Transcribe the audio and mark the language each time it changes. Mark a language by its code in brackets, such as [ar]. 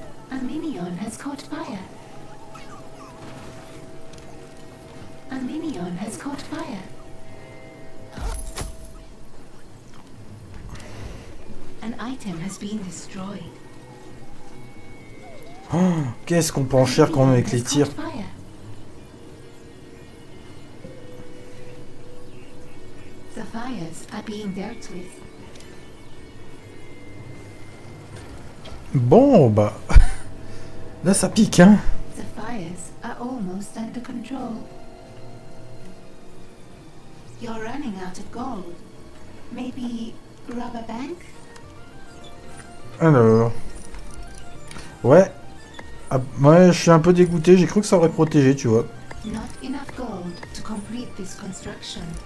[en] A minion has caught fire. A minion has caught fire. An item has been destroyed. [fr] Oh, qu'est-ce qu'on prend cher quand même avec les tirs. [en] The fires are being dealt with. [fr] Bon, bah... Là, ça pique, hein. [en] The fires are almost under control. You're running out of gold. Maybe rob a bank? [fr] Alors... Ouais. Ah, ouais, je suis un peu dégoûté. J'ai cru que ça aurait protégé, tu vois. [en] Not enough gold to complete this construction.